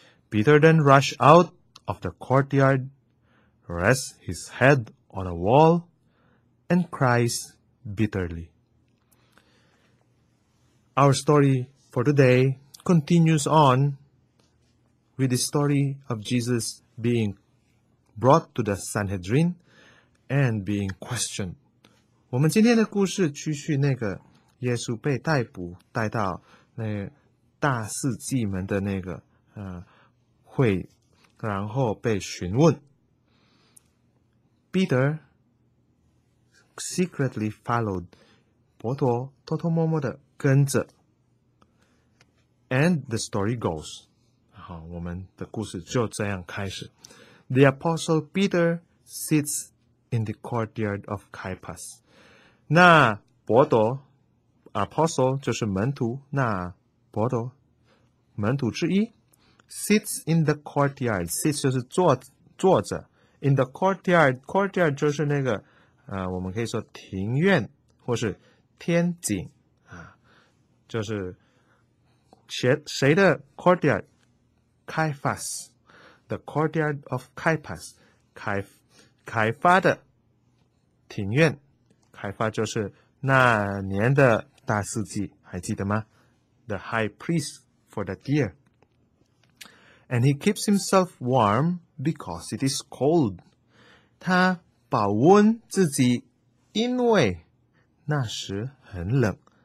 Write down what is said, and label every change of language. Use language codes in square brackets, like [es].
[en] Peter then rushes out of the courtyard, rests his head on a wall, and cries bitterly. Our story for today continues on with the story of Jesus being brought to the Sanhedrin and being questioned. [zh] 我们今天的故事继续那个耶稣被逮捕带到那个大司祭们的那个会，然后被询问。 [en] Peter secretly followed. [zh] 伯多偷偷摸摸的跟着。 [en] And the story goes. [zh] 好，我们的故事就这样开始。 [en] The Apostle Peter sits in the courtyard of Caiaphas. [zh] 那伯多 Apostle 就是门徒，那伯多门徒之一 [en] sits in the courtyard. Sits [zh] 就是坐着 [en] in the courtyard. [zh] Courtyard 就是那个我们可以说庭院或是天井就是谁的 courtyard? [en] Caiaphas. The courtyard of Caiaphas. [zh] 开发的庭院。开发就是那年的大司祭，还记得吗？ [en] The high priest for that year. And he keeps himself warm because it is cold. [zh] 他保温自己，因为那时很冷。